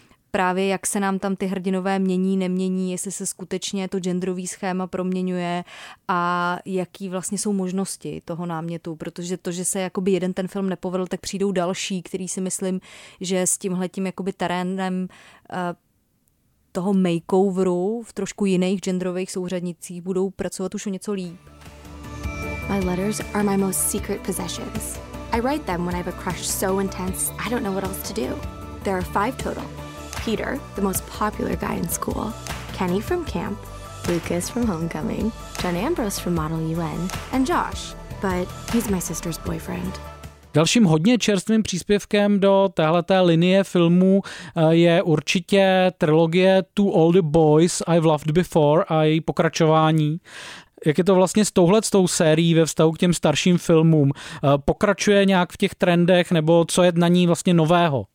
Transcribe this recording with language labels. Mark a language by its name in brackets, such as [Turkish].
[Czech] právě jak se nám tam ty hrdinové mění, nemění, jestli se skutečně to genderový schéma proměňuje a jaký vlastně jsou možnosti toho námětu, protože to, že se jakoby jeden ten film nepovedl, tak přijdou další, který si myslím, že s tímhletím jakoby terénem toho makeoveru v trošku jiných genderových souřadnicích budou pracovat už o něco líp. [English] My letters are my most secret possessions. I write them when I have a crush so intense, I don't know what else to do. There are 5 total. Peter, the most popular guy in school, Kenny from camp, Lucas from homecoming, John Ambrose from Model UN, and Josh, but he's my sister's boyfriend. [Czech] Dalším hodně čerstvým příspěvkem do téhleté linie filmů je určitě trilogie Two All the Boys I've Loved Before a její pokračování. Jak je to vlastně s touhletou sérií ve vztahu k těm starším filmům? Pokračuje nějak v těch trendech, nebo co je na ní vlastně nového?